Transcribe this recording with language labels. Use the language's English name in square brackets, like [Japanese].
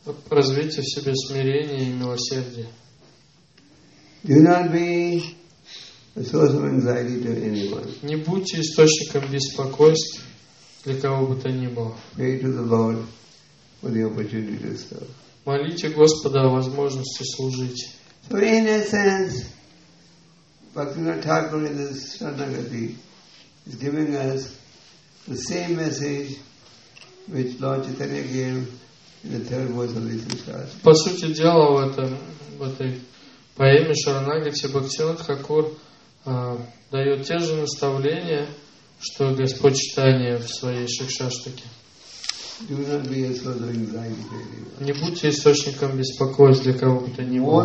[Russian] Развейте в себе смирение и милосердие. [English] Do not be a source of anxiety to anyone. [Russian] Не будьте источником беспокойств для кого бы то ни было. [English] Pray to the Lord for the opportunity to serve. [Russian] Молите Господа о возможности служить. [English] So in essence, Bhaktivinoda Thakur in this Sharanagati is giving us the same message which Lord Chaitanya gave in the third verse of this Shastra. [Russian] По сути дела в этом, в этой поэме Шаранагати Бхактивинод Хакур дает те же наставления, что Господь Читания в своей Шикшаштаке. Не будьте источником беспокойств для кого бы то ни было.